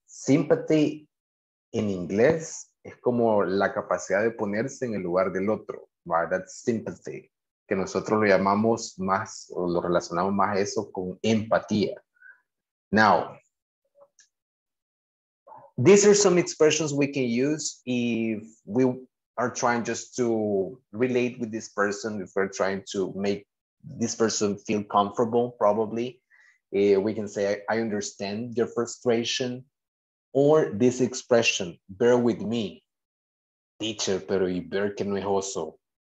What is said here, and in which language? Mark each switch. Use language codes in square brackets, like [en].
[es] Sympathy in inglés es como la capacidad de ponerse en el lugar del otro, right? [en] That's sympathy. [es] Que nosotros lo llamamos más, o lo relacionamos más a eso con empatía. [en] Now, these are some expressions we can use if we are trying just to relate with this person, if we're trying to make this person feel comfortable, probably. We can say, I understand your frustration, or this expression, bear with me. [es] Teacher, pero y ver que no es oso.